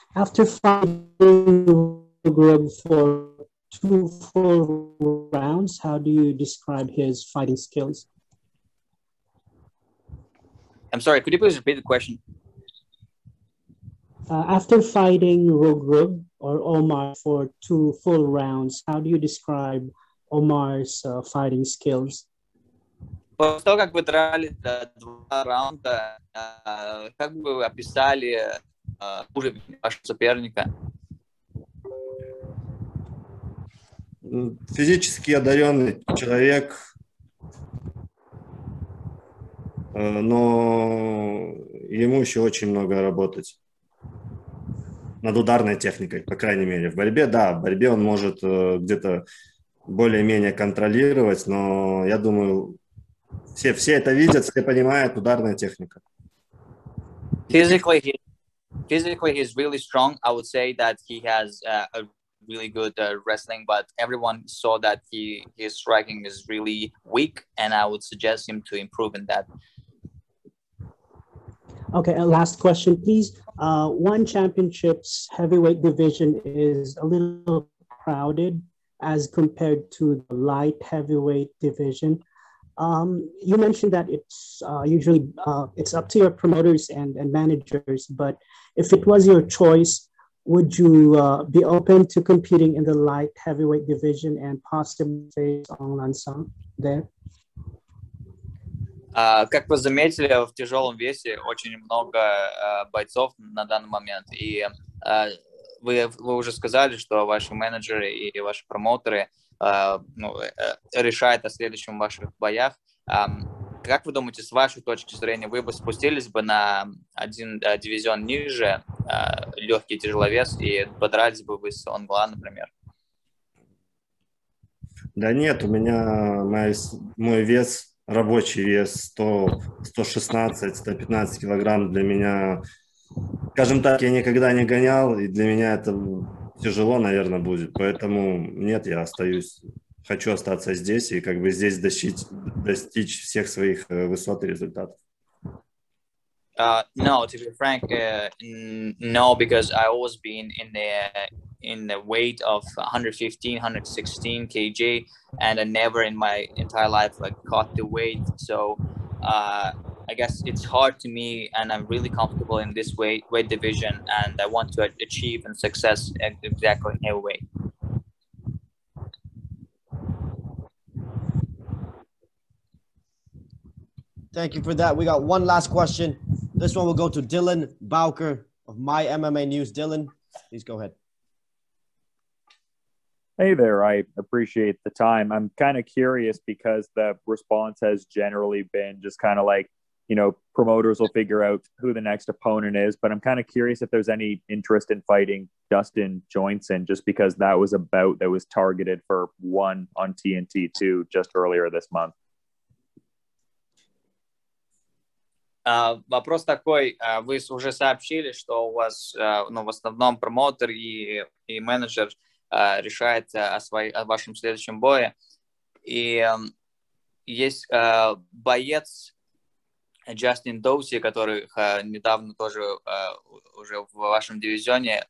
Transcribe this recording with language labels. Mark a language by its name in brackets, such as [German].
[English] After fighting for 2 full rounds, how do you describe his fighting skills? I'm sorry, could you please repeat the question? After fighting Rugrub or Omar for 2 full rounds, how do you describe Omar's fighting skills? [Russian] После того, как вы драли 2 раунда, как бы вы описали уровень вашего соперника? Физически одаренный человек, но ему еще очень много работать. Над ударной техникой, по крайней мере. В борьбе, да, в борьбе он может где-то более-менее контролировать, но я думаю, все это видят, все понимают, ударная техника. [English] Physically he's really strong. I would say that he has a really good wrestling, but everyone saw that his striking is really weak, and I would suggest him to improve in that. Okay, last question, please. One championship's heavyweight division is a little crowded as compared to the light heavyweight division. You mentioned that it's usually it's up to your promoters and managers, but if it was your choice, would you be open to competing in the light heavyweight division and possibly face Ong Lansam there? [Russian] Как вы заметили, в тяжелом весе очень много бойцов на данный момент. И вы уже сказали, что ваши менеджеры и ваши промоутеры решают о следующем ваших боях. Как вы думаете, с вашей точки зрения, вы бы спустились бы на один дивизион ниже, легкий тяжеловес, и подрались бы вы с Ong La, например? Да нет, у меня мой вес... Рабочий вес 116-115 килограмм для меня, скажем так, я никогда не гонял, и для меня это тяжело, наверное, будет. Поэтому нет, я остаюсь, хочу остаться здесь и как бы здесь достичь всех своих высот и результатов. [English] No, to be frank, no, because I always been in the weight of 115-116 kg, and I never in my entire life like caught the weight. So I guess it's hard to me, and I'm really comfortable in this weight division, and I want to achieve and success exactly in heavyweight. Thank you for that. We got one last question. This one will go to Dylan Bowker of My MMA News. Dylan, please go ahead. Hey there, I appreciate the time. I'm kind of curious because the response has generally been just kind of like, you know, promoters will figure out who the next opponent is, but I'm kind of curious if there's any interest in fighting Dustin Johnson, just because that was a bout that was targeted for one on TNT2 just earlier this month. [Russian] Вопрос такой, вы уже сообщили, что у вас в основном промоутер и менеджер решает о вашем следующем бое. И есть боец Джастин Доуси, который недавно тоже уже в вашем дивизионе.